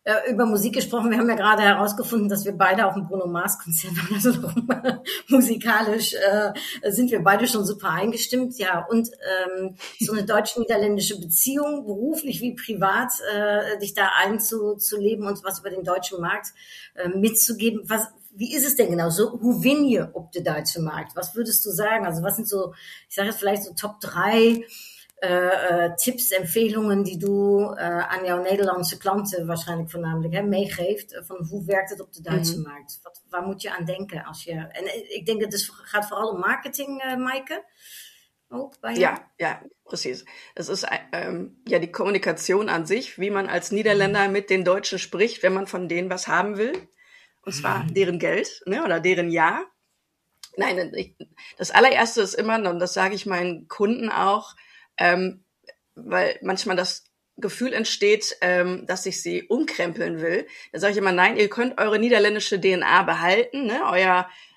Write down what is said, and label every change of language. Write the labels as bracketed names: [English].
[German] Über Musik gesprochen, wir haben ja gerade herausgefunden, dass wir beide auf dem Bruno Mars Konzert waren. Also musikalisch sind wir beide schon super eingestimmt. Ja, und so eine deutsch-niederländische Beziehung, beruflich wie privat, dich da einzuleben und was über den deutschen Markt mitzugeben. Wie ist es denn genau? [Dutch] So, hoe win je op de Duitse Markt? [German] Was würdest du sagen? Also was sind so, ich sage jetzt vielleicht so Top 3 Tipps, Empfehlungen, die du an [Dutch] jouw Nederlandse klanten [German] wahrscheinlich [Dutch] voornamelijk meegeeft, van hoe werkt het op de Duitse markt? Waar moet je aan denken als je. En ik denk dat het gaat vooral om marketing, Maike. Ook bij jou? Ja, precies. Het is die communicatie aan zich, [German] wie man als Nederlander met den Deutschen spricht, wenn man van denen was haben will. Und zwar deren geld, ne, oder deren ja. Nein, das allererste ist immer, und das sage ich meinen Kunden auch, weil manchmal das Gefühl entsteht, dass ich sie umkrempeln will. Da sage ich immer, nein, ihr könnt eure niederländische DNA behalten, ne?